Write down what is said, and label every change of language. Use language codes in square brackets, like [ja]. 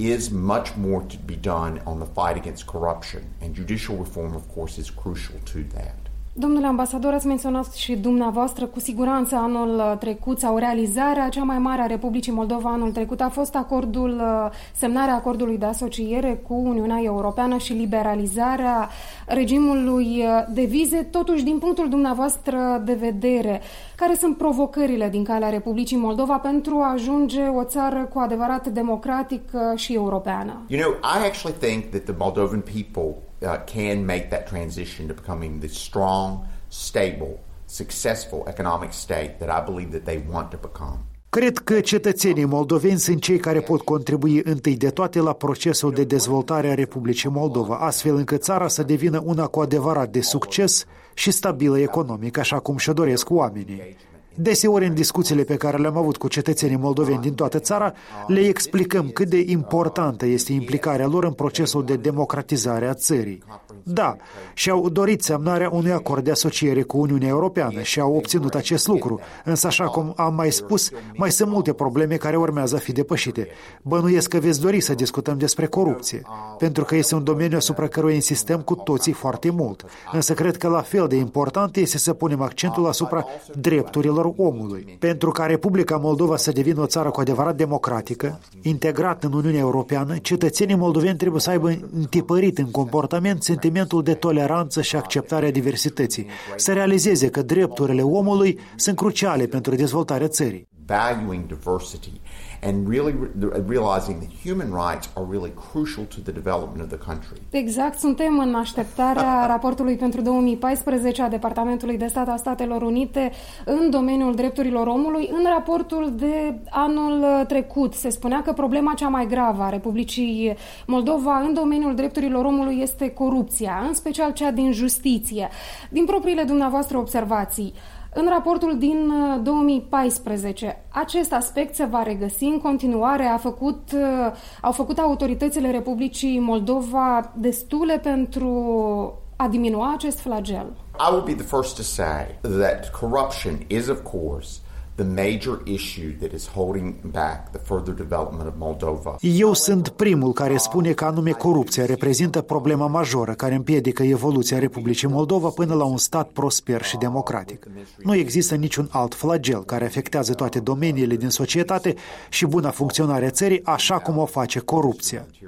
[en] Much more to be done on the fight against corruption, and judicial reform, of course, is crucial to that. [ro] Domnule ambasador, ați menționat și dumneavoastră, cu siguranță anul trecut sau realizarea cea mai mare a Republicii Moldova anul trecut a fost acordul, semnarea acordului de asociere cu Uniunea Europeană și liberalizarea regimului de vize. Totuși, din punctul dumneavoastră de vedere, care sunt provocările din calea Republicii Moldova pentru a ajunge o țară cu adevărat democratică și europeană? [en] You know, I actually think that the Moldovan people can make that transition to becoming the strong, stable, successful economic state that I believe that they want to become. [ro] Cred că cetățenii moldoveni sunt cei care pot contribui întâi de toate la procesul de dezvoltare a Republicii Moldova, astfel încât țara să devină una cu adevărat de succes și stabilă economic, așa cum și-o doresc oamenii. Deseori, în discuțiile pe care le-am avut cu cetățenii moldoveni din toată țara, le explicăm cât de importantă este implicarea lor în procesul de democratizare a țării. Da, și-au dorit semnarea unui acord de asociere cu Uniunea Europeană și au obținut acest lucru, însă, așa cum am mai spus, mai sunt multe probleme care urmează a fi depășite. Bănuiesc că veți dori să discutăm despre corupție, pentru că este un domeniu asupra căruia insistăm cu toții foarte mult, însă cred că la fel de important este să punem accentul asupra drepturilor omului. Pentru ca Republica Moldova să devină o țară cu adevărat democratică, integrată în Uniunea Europeană, cetățenii moldoveni trebuie să aibă întipărit în comportament sentimentul de toleranță și acceptarea diversității, să realizeze că drepturile omului sunt cruciale pentru dezvoltarea țării. [en] Valuing diversity and really realizing that human rights are really crucial to the development of the country. [ro] Exact, suntem în așteptarea raportului pentru 2014 a Departamentului de Stat a Statelor Unite în domeniul drepturilor omului. În raportul de anul trecut se spunea că problema cea mai gravă a Republicii Moldova în domeniul drepturilor omului este corupția, în special cea din justiție. Din propriile dumneavoastră observații, în raportul din 2014, acest aspect se va regăsi în continuare? Au făcut autoritățile Republicii Moldova destule pentru a diminua acest flagel? [en] I will be the first to say that corruption is, of course, the major issue that is holding back the further development of Moldova. [ro] Eu sunt primul care spune că anume corupția reprezintă problema majoră care împiedică evoluția Republicii Moldova până la un stat prosper și democratic. Nu există niciun alt flagel care afectează toate domeniile din societate și buna funcționare a țării așa cum o face corupția.